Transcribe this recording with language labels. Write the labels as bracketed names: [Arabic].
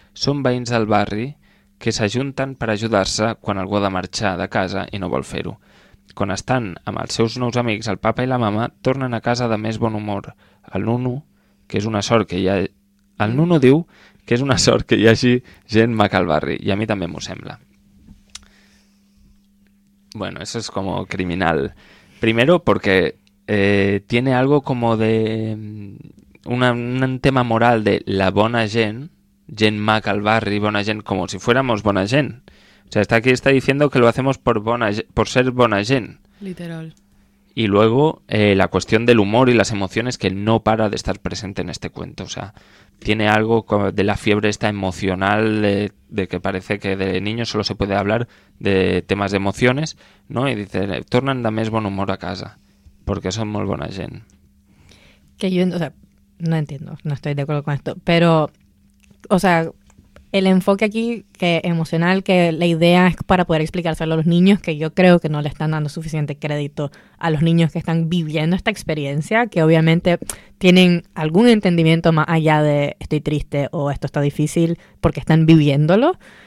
[Catalan] Són veïns del barri que s'ajunten per ajudar-se quan algú ha de marxar de casa i no vol fer-ho. Quan estan amb els seus nous amics, el papa i la mama tornen a casa de més bon humor. El Nuno, que és una sort que hi ha... El Nuno diu que és una sort que hi hagi gent maca al barri. I a mi també m'ho sembla. [Spanish] Bueno, eso es como criminal. Primero porque tiene algo como de... un tema moral de la [Catalan] bona gent, gent maca al barri, bona gent, [Spanish] como si fuéramos [Catalan] bona gent. [Spanish] O sea, está diciendo que lo hacemos por ser [Catalan] bona gent. [Spanish] Literal. Y luego la cuestión del humor y las emociones que no para de estar presente en este cuento. O sea, tiene algo de la fiebre esta emocional de que parece que de niños solo se puede hablar de temas de emociones, ¿no? Y dice, [Catalan] tornan de més bon humor a casa, [Spanish] porque son [Catalan] molt bona gent. [Spanish] Que yo, o sea, no entiendo, no estoy de acuerdo con esto, pero, o sea... El enfoque aquí, que emocional, que la idea es para poder explicárselo a los niños, que yo creo que no le están dando suficiente crédito a los niños que están viviendo esta experiencia, que obviamente tienen algún entendimiento más allá de estoy triste o esto está difícil porque están viviéndolo.